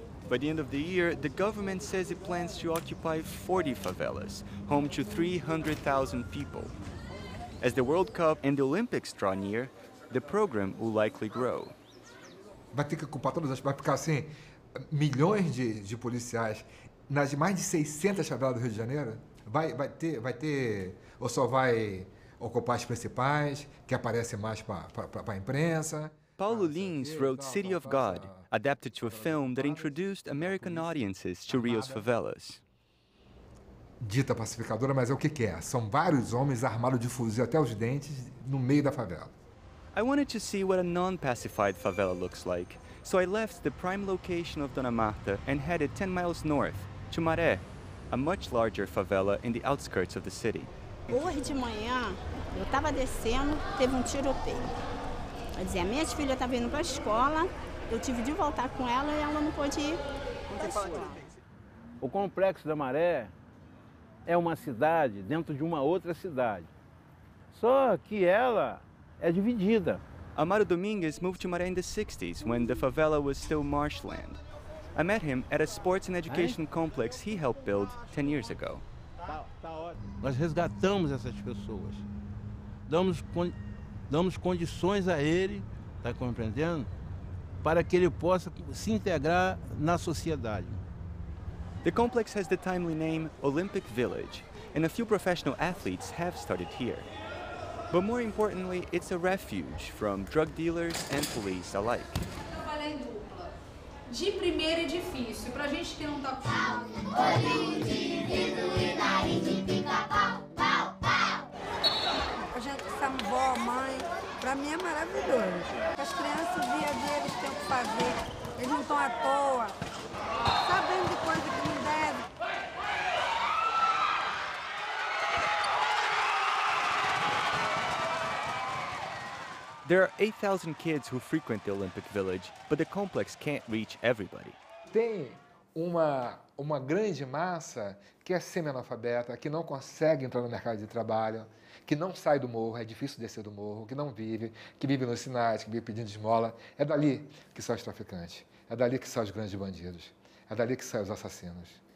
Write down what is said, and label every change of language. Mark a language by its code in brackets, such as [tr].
[en] By the end of the year, the government says it plans to occupy 40 favelas, home to 300,000 people. As the World Cup and the Olympics draw near, the program will likely grow. [pt] Vai ter que ocupar todas as, vai ficar assim, milhões de policiais nas mais de 600 favelas do Rio de Janeiro? Vai ter, ou só vai ocupar as principais, que aparece mais para a imprensa. [en] Paulo Lins wrote City of God, adapted to a film that introduced American audiences to Rio's favelas. [pt] Dita pacificadora, mas é o que é? São vários homens armados de fuzil até os dentes no meio da favela. [en] I wanted to see what a non-pacified favela looks like, so I left the prime location of Dona Marta and headed 10 miles north to Maré, a much larger favela in the outskirts of the city. [pt] Hoje de manhã, eu estava descendo, teve tiroteio. Quer dizer, a minha filha estava indo para a escola, eu tive de voltar com ela e ela não pôde ir. O complexo da Maré é uma cidade dentro de uma outra cidade. Só que ela é dividida. [en] Amaro Dominguez moved to Maré in the 60s, when the favela was still marshland. I met him at a sports and education complex he helped build 10 years ago. [pt] Nós resgatamos essas pessoas. Damos condições a ele, está compreendendo? Para que ele possa se integrar na sociedade. [en] The complex has the timely name Olympic Village, and a few professional athletes have started here. But more importantly, it's a refuge from drug dealers and police alike. [pt] De primeiro é difícil, pra gente que não tá acostumado. A gente sabe, vó, mãe, pra mim é maravilhoso. As crianças, o dia deles tem o que fazer, eles não estão à toa, sabendo de coisa que não deve. [en] There are 8,000 kids who frequent the Olympic Village, but the complex can't reach everybody. [pt] Tem uma grande massa que é semi-analfabeta, que não consegue entrar no mercado de trabalho, que não sai do morro, é difícil descer do morro, que não vive, que vive nos sinais, que vive pedindo esmola. É dali que são os traficantes, é dali que são os grandes bandidos, é dali que são os assassinos.